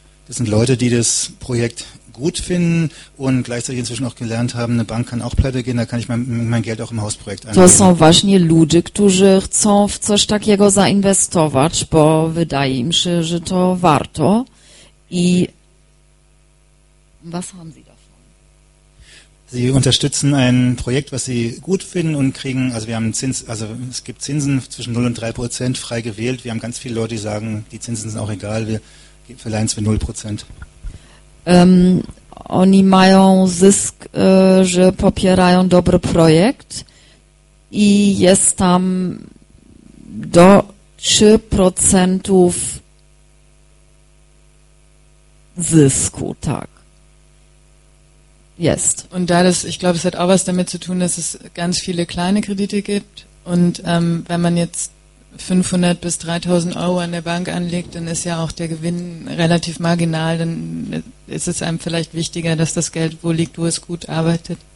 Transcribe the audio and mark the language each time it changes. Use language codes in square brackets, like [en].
[de] Das sind Leute, die das Projekt gut finden und gleichzeitig inzwischen auch gelernt haben, eine Bank kann auch pleite gehen, da kann ich mein Geld auch im Hausprojekt anlegen. [pl] To są właśnie ludzie, którzy chcą w coś takiego zainwestować, bo wydaje im się, że to warto. [de] I was haben Sie davon? Sie unterstützen ein Projekt, was Sie gut finden und kriegen, also wir haben Zins, also es gibt Zinsen zwischen 0 und 3% frei gewählt. Wir haben ganz viele Leute, die sagen, die Zinsen sind auch egal, wir verleihen es für 0%. [pl] Oni mają zysk, że popierają dobry projekt i jest tam do 3% zysku, tak. Jest. [de] Und da das, ich glaube, es hat auch was damit zu tun, dass es ganz viele kleine Kredite gibt und wenn man jetzt 500 bis 3000 Euro an der Bank anlegt, dann ist ja auch der Gewinn relativ marginal, dann ist es einem vielleicht wichtiger, dass das Geld wo liegt, wo es gut arbeitet.